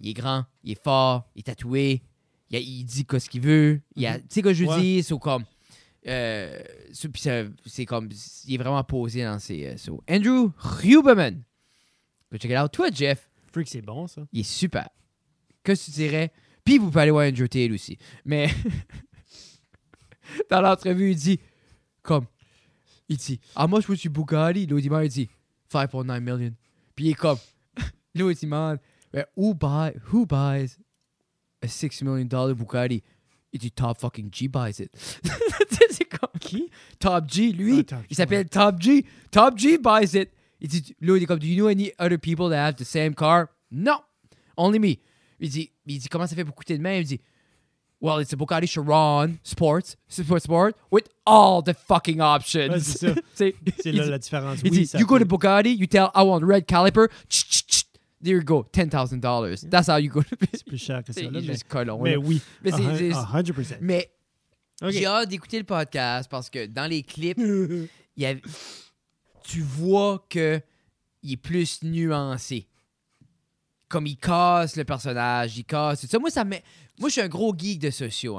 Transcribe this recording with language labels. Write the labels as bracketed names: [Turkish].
[French] Il est grand, il est fort, il est tatoué, il dit qu'est-ce qu'il veut. Tu sais que je dis, c'est comme... puis c'est comme... Il est vraiment posé dans ses... So. Andrew Huberman. [English] Go check it out. [French] Toi, Jeff. Freak, c'est bon, ça. Il est super. Qu'est-ce que tu dirais? Puis vous pouvez aller voir Andrew Tate aussi. Mais dans l'entrevue, il dit, [English] how much was your Bugatti? [French] L'autre demande, il dit, 5.9 million. Puis il est comme, l'autre demande, [English] who buys a $6 million Bugatti? [French] Il dit, [English] Top fucking G buys it. [French] C'est comme, qui? Top G, lui. Oh, Top G, il s'appelle Top G. [English] Top G buys it. [French] Il dit, l'autre, il est comme, [English] do you know any other people that have the same car? No, only me. [French] Il dit, comment ça fait pour coûter de même? Il dit, [English] well, it's a Bugatti Chiron Sport, with all the fucking options. [French] Ouais, c'est ça. C'est là la différence. Il dit, [English] you go to Bugatti, you tell, I want red caliper, there you go, $10,000. That's how you go to [French] Bugatti. C'est plus cher que ça. C'est juste colon. Mais oui, 100%. Mais j'ai hâte d'écouter le podcast parce que dans les clips, tu vois qu'il est plus nuancé. Comme il casse le personnage, il casse tout ça. Moi, je suis un gros geek de sociaux.